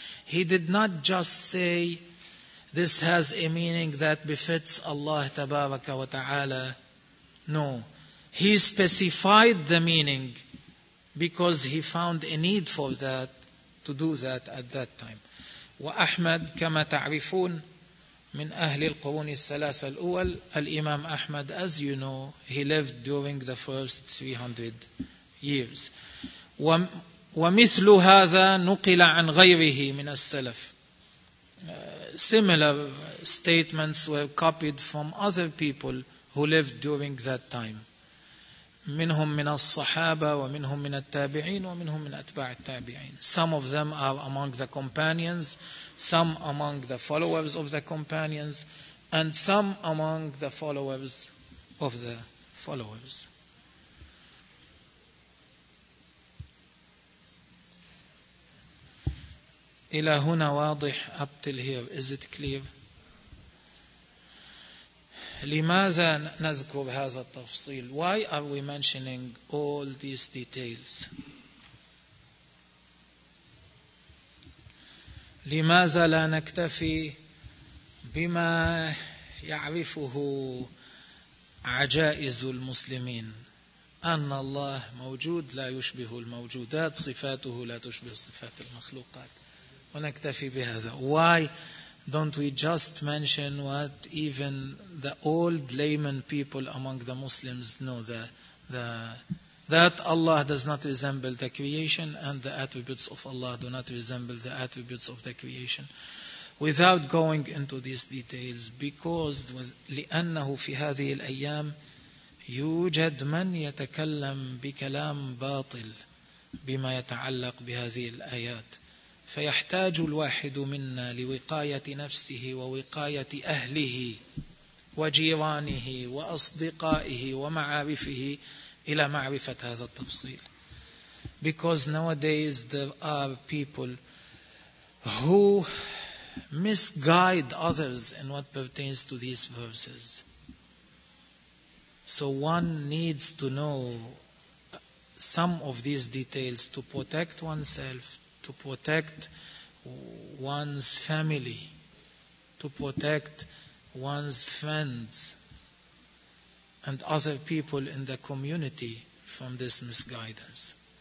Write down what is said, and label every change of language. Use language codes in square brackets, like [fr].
[en] He did not just say this has a meaning that befits Allah tabaraka wa ta'ala. No. He specified the meaning because he found a need for that, to do that at that time. [ar] وأحمد كما تعرفون من أهل القرون الثلاثة الأول. [en] الإمام أحمد, as you know, he lived during the first 300 years. [ar] ومثل هذا نقل عن غيره من السلف. [en] Similar statements were copied from other people who lived during that time. [ar] منهم من الصحابة ومنهم من التابعين ومنهم من أتباع التابعين. [en] Some of them are among the companions, some among the followers of the companions, and some among the followers of the followers. [ar] إلى هنا واضح. [en] Up till here, is it clear? [ar] لماذا نذكر هذا التفصيل? [en] Why are we mentioning all these details? [ar] لماذا لا نكتفي بما يعرفه عجائز المسلمين? أن الله موجود لا يشبه الموجودات, صفاته لا تشبه صفات المخلوقات, ونكتفي بهذا. [en] Why don't we just mention what even the old layman people among the Muslims know, that Allah does not resemble the creation and the attributes of Allah do not resemble the attributes of the creation, without going into these details? Because [ar] لأنه في هذه الأيام يوجد من يتكلم بكلام باطل بما يتعلق بهذه الآيات. فيحتاج الواحد منا لوقاية نفسه ووقاية أهله وجيرانه وأصدقائه ومعارفه إلى معرفة هذا التفصيل. [en] Because nowadays there are people who misguide others in what pertains to these verses. So one needs to know some of these details to protect oneself, to protect one's family, to protect one's friends and other people in the community from this misguidance.